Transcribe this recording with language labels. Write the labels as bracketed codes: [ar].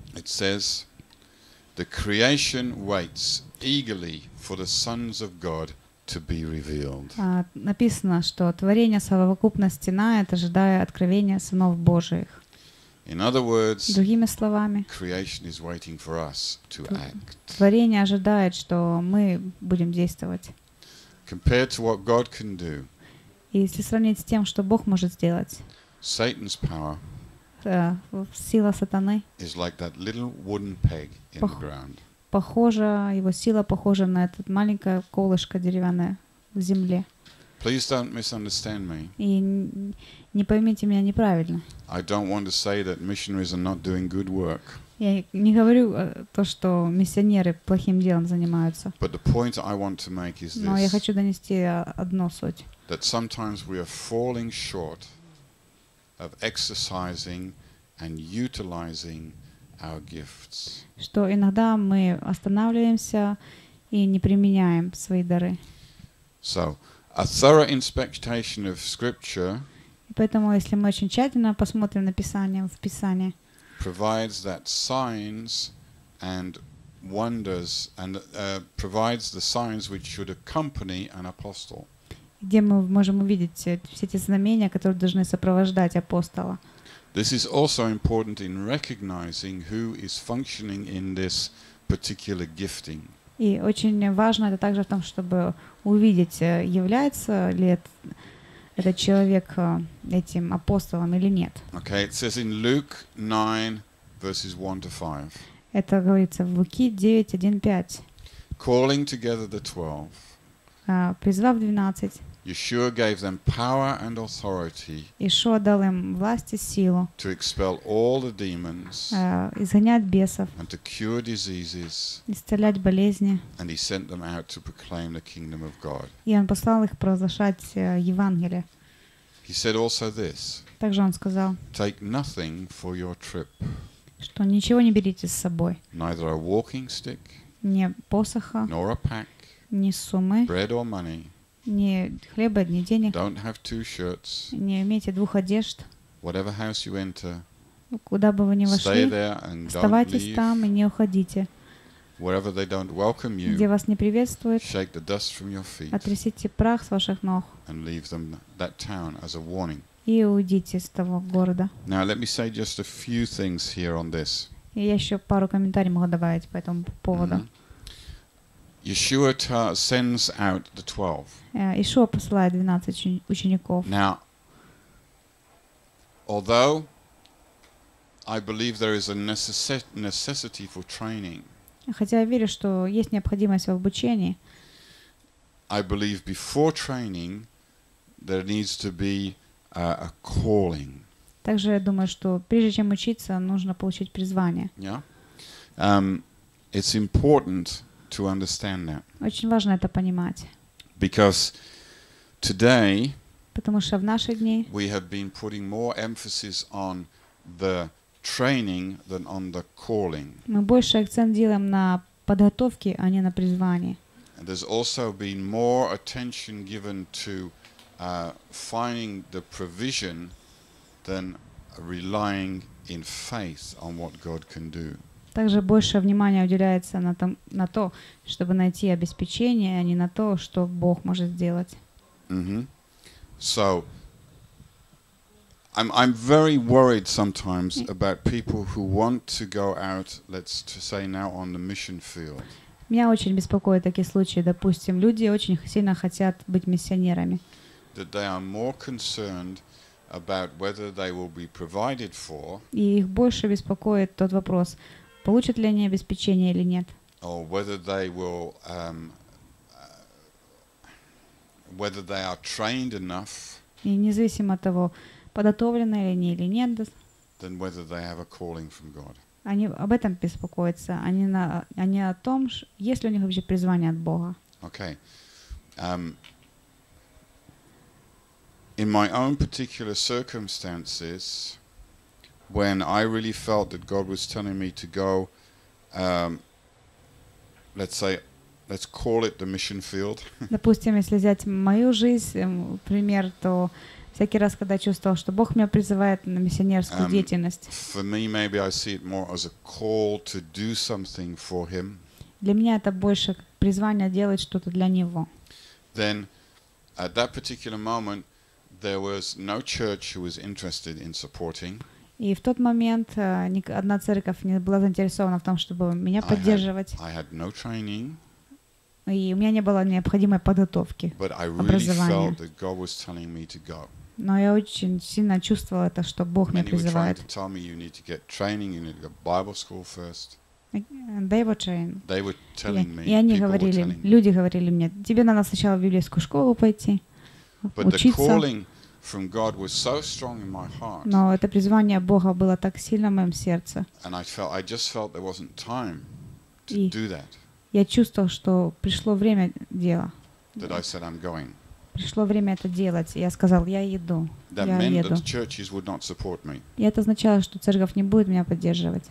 [en] It says, the creation waits eagerly for the sons of God to be revealed. [ru] Написано, что творение совокупно стенает, ожидая откровения сынов Божиих. [en] In other words, [ru] другими словами, [en] creation is waiting for us to act. [ru] Творение ожидает, что мы будем действовать. [en] Compared to what God can do. [ru] Если сравнить с тем, что Бог может сделать. [en] Satan's power. [ru] Сила сатаны. [en] Is like that little wooden peg in the ground. [ru] Похоже, его сила похожа на этот маленькое колышко деревянное в земле. [en] Please don't misunderstand me. [ru] И не поймите меня неправильно. [en] I don't want to say that missionaries are not doing good work. [ru] Я не говорю то, что миссионеры плохим делом занимаются. [en] But the point I want to make is this. [ru] Но я хочу донести одну суть. [en] That sometimes we are falling short of exercising and utilizing our gifts. [ru] Что иногда мы останавливаемся и не применяем свои дары. [en] So, a thorough inspection of scripture. [ru] Поэтому, если мы очень тщательно посмотрим на Писание, в Писании, [en] provides that signs and wonders and provides the signs which should accompany an apostle. [ru] Где мы можем увидеть все эти знамения, которые должны сопровождать апостола. [en] This is also important in recognizing who is functioning in this particular gifting. [ru] И очень важно это также в том, чтобы увидеть, является ли этот человек этим апостолом или нет. [en] Okay, it says in Luke 9, verses 1 to 5. [ru] Это говорится в Луки 9:1-5. [en] Calling together the 12. [ru] Призвав 12. [en] Yeshua gave them power and authority. [ru] Иешуа дал им власть и силу. [en] To expel all the demons. [ru] Изгонять бесов. [en] And to cure diseases. [ru] Исцелять болезни. [en] And he sent them out to proclaim the kingdom of God. [ru] И он послал их провозглашать Евангелие. [en] He said also this. [ru] Также он сказал. [en] Take nothing for your trip. [ru] Что ничего не берите с собой. [en] Neither a walking stick. [ru] Ни посоха. [en] Nor a pack. [ru] Ни суммы. [en] Bread or money. [ru] Ни хлеба, ни денег. [en] Don't have two shirts. [ru] Не имейте двух одежд. [en] Whatever house you enter. [ru] Куда бы вы ни вошли. [en] Stay there and don't leave. [ru] Оставайтесь там и не уходите. [en] Wherever they don't welcome you. [ru] Где вас не приветствуют. [en] Shake the dust from your feet. [ru] Отрисите прах с ваших ног. [en] And leave them that town as a warning. [ru] И уйдите из того города. [en] Now let me say just a few things here on this. [ru] И я еще пару комментариев могу добавить по этому поводу. [en] Yeshua sends out the 12. [ru] Иешуа посылает 12 учеников. [en] Now, although I believe there is a necessity for training. [ru] Хотя я верю, что есть необходимость в обучении. [en] I believe before training there needs to be a calling. [ru] Также я думаю, что прежде чем учиться, нужно получить призвание. [en] Yeah. It's important to understand that. [ru] Очень важно это понимать. [en] Because today, [ru] потому что в наши дни, [en] we have been putting more emphasis on the training than on the calling. [ru] Мы больше акцент делаем на подготовке, а не на призвании. [en] And there's also been more attention given to finding the provision than relying in faith on what God can do. [ru] Также больше внимания уделяется на то, чтобы найти обеспечение, а не на то, что Бог может сделать. Mm-hmm. [en] So, I'm very worried sometimes about people who want to go out, let's say now, on the mission field. [ru] Меня очень беспокоят такие случаи. Допустим, люди очень сильно хотят быть миссионерами. [en] That they are more concerned about whether they will be provided for. [ru] И их больше беспокоит тот вопрос. Получат ли они обеспечение или нет? [en] Or whether they will, whether they are trained enough. [ru] И независимо от того, подготовлены ли они или нет. [en] Then whether they have a calling from God. [ru] Они об этом беспокоятся. Они о том, есть ли у них вообще призвание от Бога. Okay. [en] In my own particular circumstances. When I really felt that God was telling me to go, let's call it the mission field. [ru] Допустим, если взять мою жизнь, пример, то всякий раз, когда чувствовал, что Бог меня призывает на миссионерскую деятельность. [en] For me, maybe I see it more as a call to do something for Him. [ru] Для меня это больше призвание делать что-то для Него. [en] Then, at that particular moment, there was no church who was interested in supporting. [ru] И в тот момент ни одна церковь не была заинтересована в том, чтобы меня поддерживать. [en] I had no training, [ru] и у меня не было необходимой подготовки, [en] but I [ru] образования. [en] Really felt that God was telling me to go. [ru] Но я очень сильно чувствовала это, что Бог меня призывает. [en] Many were trying to tell me you need to get training, you need to go to Bible school first. They were telling me. [ru] И они говорили, люди говорили мне, тебе надо сначала в библейскую школу пойти, учиться. [en] But the calling, from God was so strong in my heart. [ru] Но это призвание Бога было так сильно в моем сердце. [en] And I just felt there wasn't time to do that. [ru] Я чувствовал, что пришло время дела. [en] That I said I'm going. [ru] Пришло время это делать. Я сказал, я иду. [en] That [ru] я [en] meant [ru] еду. [en] That the churches would not support me. [ru] И это означало, что церковь не будет меня поддерживать.